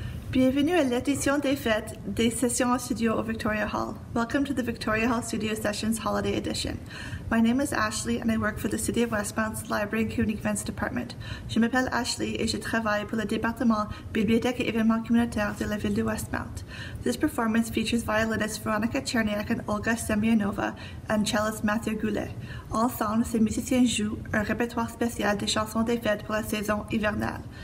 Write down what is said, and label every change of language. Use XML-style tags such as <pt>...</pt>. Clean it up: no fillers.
<fr>Bienvenue à l'édition des fêtes des sessions en studio au Victoria Hall.</fr> <en>Welcome to the Victoria Hall Studio Sessions Holiday Edition. My name is Ashley and I work for the City of Westmount's Library and Community Events Department.</en> <fr>Je m'appelle Ashley et je travaille pour le département Bibliothèque et Événements Communautaires de la ville de Westmount.</fr> <en>This performance features violinist Veronika Cherniak and Olga Semionova and cellist Mathieu Goulet.</en> <fr>Ensemble, ces musiciens jouent un répertoire spécial des chansons des fêtes pour la saison hivernale.</fr>